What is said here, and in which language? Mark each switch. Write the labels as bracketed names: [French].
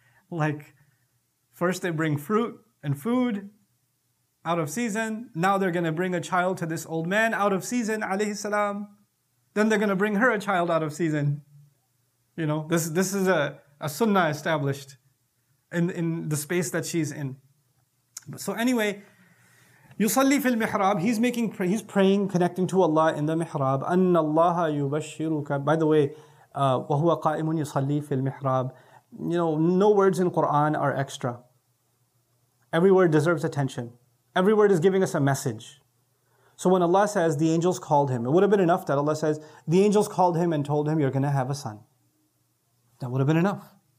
[English] Like, first they bring fruit and food out of season. Now they're going to bring a child to this old man out of season, alayhi salam. Then they're going to bring her a child out of season. You know, this is a sunnah established in the space that she's in. So anyway, [Arabic] يصلي في المحراب. [English] He's praying, connecting to Allah in the mihrab. [Arabic] أن الله يبشرك. [English] By the way, [Arabic] وهو قائم يصلي في المحراب. [English] You know, no words in Quran are extra. Every word deserves attention. Every word is giving us a message. So when Allah says the angels called him, it would have been enough that Allah says the angels called him and told him you're going to have a son. That would have been enough.